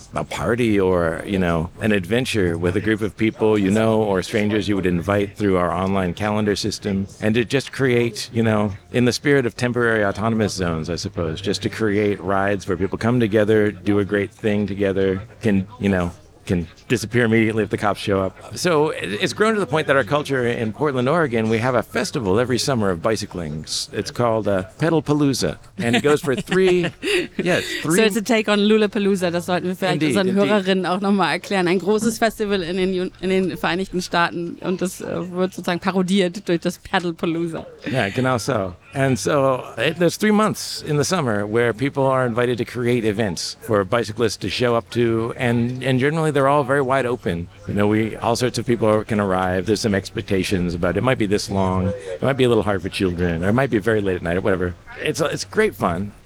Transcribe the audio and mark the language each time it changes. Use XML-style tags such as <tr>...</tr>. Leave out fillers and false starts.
<en>a party or, you know, an adventure with a group of people you know or strangers you would invite through our online calendar system, and to just create, you know, in the spirit of temporary autonomous zones, I suppose, just to create rides where people come together, do a great thing together, can disappear immediately if the cops show up. So it's grown to the point that our culture in Portland, Oregon, we have a festival every summer of bicycling. It's called Pedalpalooza, and it goes for three. So it's a take on Lollapalooza.</en> <de>Das sollten wir vielleicht unseren Hörerinnen auch nochmal erklären. Ein großes Festival in den Vereinigten Staaten, und das wird sozusagen parodiert durch das Pedalpalooza.</de> <en>Yeah,</en> <de>genau so.</de> <en>And so there's 3 months in the summer where people are invited to create events for bicyclists to show up to, and generally they're all very wide open. You know, all sorts of people can arrive. There's some expectations about it might be this long, it might be a little hard for children, or it might be very late at night or whatever. It's great fun.</en>